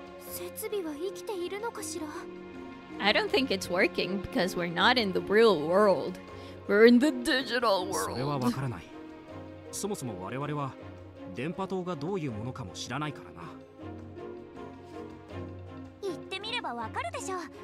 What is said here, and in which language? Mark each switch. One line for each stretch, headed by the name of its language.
Japanese: 設備は生きているのかしら?
English: I don't think it's working because we're not in the real world. We're in the digital world.
Japanese: それはわからない. そもそも我々は電波塔がどういうものかも知らないからな. 言ってみればわかるでしょう.